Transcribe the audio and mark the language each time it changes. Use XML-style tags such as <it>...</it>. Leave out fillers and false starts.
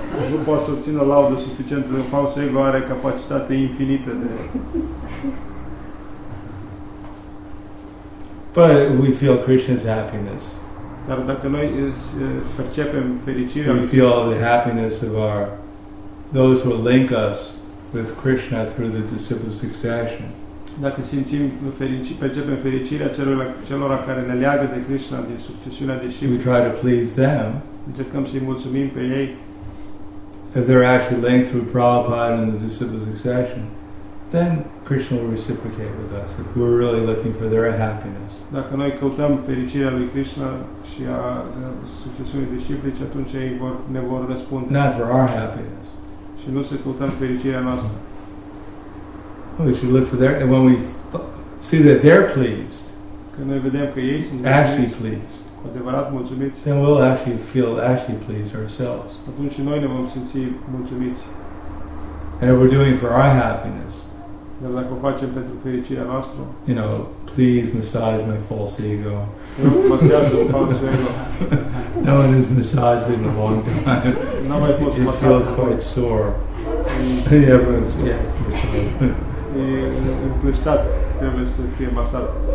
<ro>Nu poate să obțină laudă suficientă, de fapt, să ego are capacitate infinită de...</ro> <en>But we feel Krishna's happiness.</en> <ro>Dar dacă noi percepem fericirea...</ro> <en>We feel all the happiness of our... those who link us with Krishna through the disciple succession.</en> <ro>Dacă simțim, percepem fericirea celor care ne leagă de Krishna din succesiunea discipli.</ro> <en>We try to please them.</en> <ro>Încercăm să-i mulțumim pe ei.</ro> <en>If they're actually linked through Prabhupada and the disciple succession, then Krishna will reciprocate with us if we're really looking for their happiness.</en> <ro>Dacă noi căutăm fericirea lui Krishna și a succesiunii disciplici, atunci ei ne vor răspunde.</ro> <en>Not for our happiness.</en> <ro>Și nu să căutăm fericirea noastră.</ro> <en>We should look for their, and when we see that they're pleased,</en> <ro>când noi vedem că ei sunt</ro> <en>actually pleased,</en> <ro>adevărat mulțumiți,</ro> <en>then we'll actually feel actually pleased ourselves.</en> <ro>Atunci noi ne vom simți mulțumiți.</ro> <en>And if we're doing it for our happiness,</en> <ro>dar dacă o facem pentru fericirea noastră,</ro> <en>you know, please massage my false ego. No one has massaged in a long time. It feels quite sore. Everyone's yes, massage.</en>